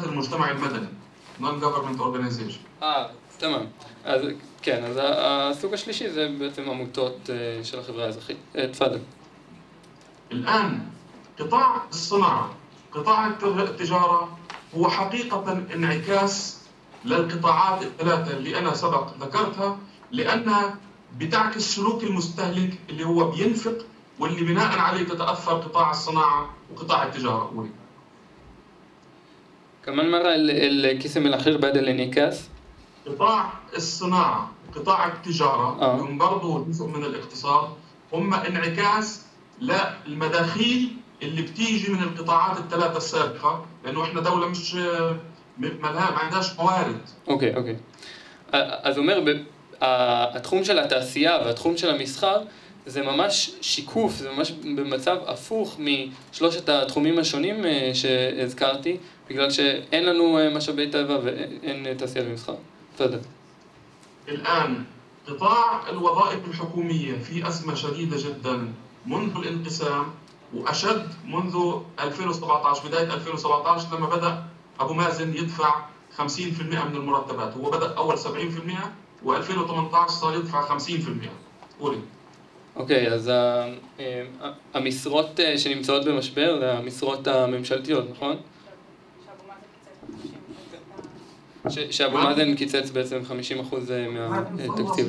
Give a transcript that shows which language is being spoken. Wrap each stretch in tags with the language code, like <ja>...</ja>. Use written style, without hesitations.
<en>המשתמע המדני, non-government organization. תמם.</en> <he>אז כן, אז הסוג השלישי זה בעצם עמותות של החברה האזרחית.</he> <ar>תפדל. الآن قطاع الصناعة, قطاع التجارة هو حقيقة انعكاس للقطاعات الثلاثة اللي أنا سبق ذكرتها لأنها بتعكس سلوك المستهلك اللي هو بينفق واللي بناء عليه تتأثر قطاع الصناعة وقطاع التجارة. أولي كمان مرة الكسم الأخير بعد الانعكاس، قطاع الصناعة قطاع التجارة هم برضو جزء من الاقتصاد، هم انعكاس للمداخيل اللي بتيجي من القطاعات الثلاثة السابقة، لأنه إحنا دولة مش ملها ما عندهاش موارد. أوكي أوكي.</ar> <he>אז אומר, התחום של התעשייה והתחום של המסחר זה ממש שיקוף, זה ממש במצב הפוך משלושת התחומים השונים שהזכרתי, בגלל שאין לנו משאבי טבע ואין תעשייה ומסחר. תודה.</he> <ar>الآن قطاع الوظائف الحكومية في أزمة شديدة جدا منذ الانقسام وأشد منذ 2017، بداية 2017 لما بدأ أبو مازن يدفع 50% من المرتبات، هو بدأ أول 70% و2018 صار يدفع 50%. قولي.</ar> <he>אוקיי, אז המשרות שנמצאות במשבר זה המשרות הממשלתיות, נכון? שאבו מאזן קיצץ בעצם 50% מהתקציב</he>